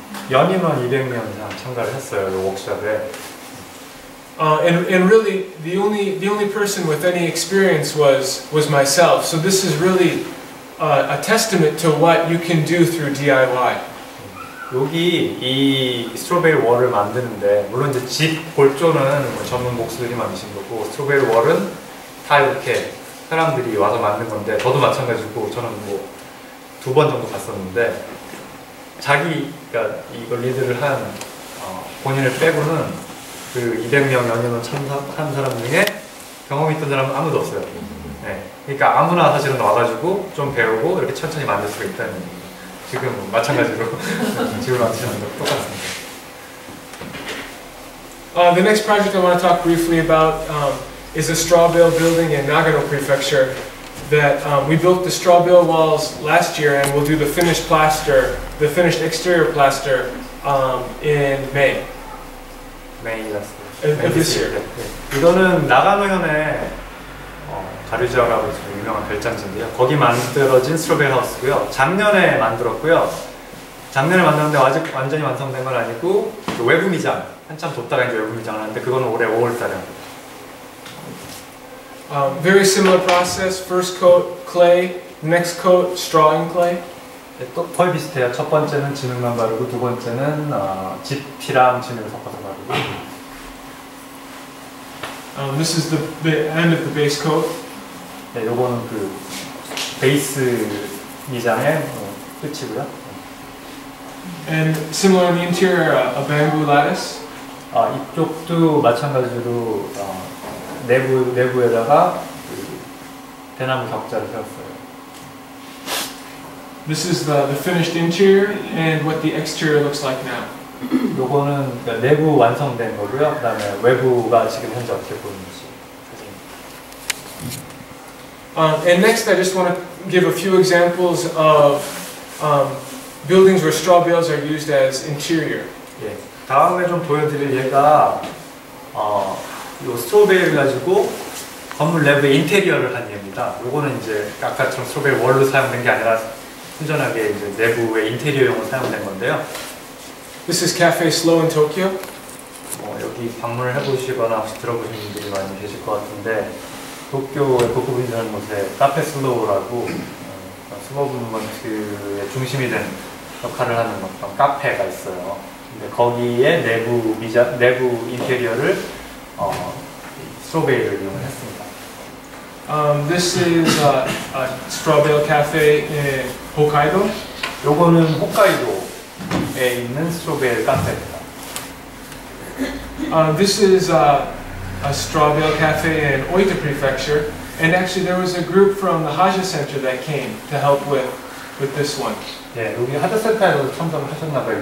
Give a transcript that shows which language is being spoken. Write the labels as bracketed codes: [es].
[ko] 연임원 200명 이상 참가를 했어요, 이 워크숍에. [en] And really the only person with any experience was myself. So this is really a testament to what you can do through DIY. [ko] 여기 이 스트로베일 월을 만드는데 물론 이제 집 골조는 전문 목수들이 만드신 거고 스트로베일 월은 다 이렇게 사람들이 와서 만든 건데 저도 마찬가지고 저는 뭐 두 번 정도 갔었는데 자기가 이걸 리드를 한 본인을 빼고는 그 200명 연인을 참석한 사람 중에 경험이 있던 사람은 아무도 없어요. 네. 그러니까 아무나 사실은 와가지고 좀 배우고 이렇게 천천히 만들 수가 있다는 겁니다. 지금 마찬가지로 지금 만드시는 것도 똑같습니다. [en] The next project I want to talk briefly about is a straw bale building in Nagano Prefecture that we built the straw bale walls last year and we'll do the finished plaster, the finished exterior plaster in May. [ko] May였어요. [en] This year. [ko] 이거는 나가노현의 가르지아라고 해서 유명한 별장지인데요. 거기 만들어진 straw bale house고요. 작년에 만들었고요. 작년에 만들었는데 아직 완전히 완성된 건 아니고 외부 미장, 한참 뒀다가 이제 외부 미장을 하는데 그거는 올해 5월 달에 [en] Very similar process. First coat clay, next coat straw and clay. [ko] 네, 또 거의 비슷해요. 첫 번째는 진흙만 바르고 두 번째는 지피랑 진흙을 섞어서 바르고. [en] This is the end of the base coat. [ko] 네, 이거는 그 베이스 미장의 끝이고요. [en] And similar in the interior, a bamboo lattice. [ko] 이쪽도 마찬가지로. 내부에다가 대나무 격자를 세웠어요. [en] This is the finished interior and what the exterior looks like now. [ko] 요거는 그러니까 내부 완성된 거고요. 그 다음에 외부가 지금 현재 어떻게 보이는지. [en] And next, I just want to give a few examples of buildings where straw bales are used as interior. [ko] 예, 다음에 좀 보여드릴 얘가 요 스트로베일 가지고 건물 내부 인테리어를 한 얘입니다. 요거는 이제 아까처럼 스트로베일 월로 사용된 게 아니라 순전하게 이제 내부의 인테리어용으로 사용된 건데요. [en] This is Cafe Slow in Tokyo. [ko] 여기 방문을 해보시거나 혹시 들어보신 분들이 많이 계실 것 같은데 도쿄의 북부인이라는 곳에 카페 슬로우라고 스모브먼트의 중심이 된 역할을 하는 어떤 카페가 있어요. 근데 거기에 내부 인테리어를 스트로베일을 이용했습니다. [en] This is a straw bale cafe in Hokkaido. [ko] 요거는 홋카이도에 있는 스트로베일 카페입니다. [en] This is a straw bale cafe in Oita Prefecture. And actually, there was a group from the Haja Center that came to help with this one. [ko] 예, 여기 하자 센터에서 참석을 하셨나 봐요.